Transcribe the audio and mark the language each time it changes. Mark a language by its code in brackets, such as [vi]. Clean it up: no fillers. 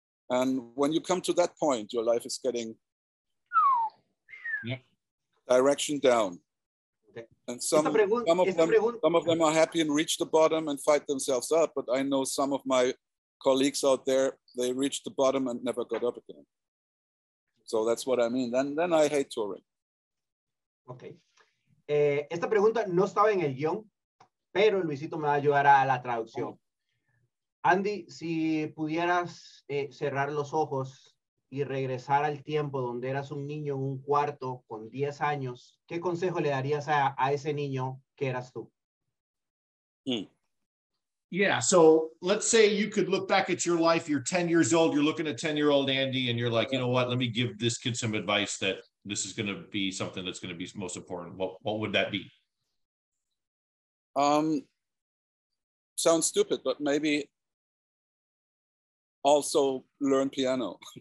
[en] And when you come to that point, your life is getting direction down. And some of them are happy and reach the bottom and fight themselves up. But I know some of my colleagues out there, they reached the bottom and never got up again. So that's what I mean. Then I hate touring. Okay. [es] Esta pregunta no estaba en el guión, pero Luisito me va a ayudar a la traducción. Andy, si pudieras cerrar los ojos y regresar al tiempo donde eras un niño en un cuarto con 10 años, ¿qué consejo le darías a ese niño que eras tú? Mm. [en] Yeah. So let's say you could look back at your life. You're 10 years old. You're looking at 10-year-old Andy and you're like, you know what? Let me give this kid some advice that this is going to be something that's going to be most important. What would that be? Sounds stupid, but maybe also learn piano.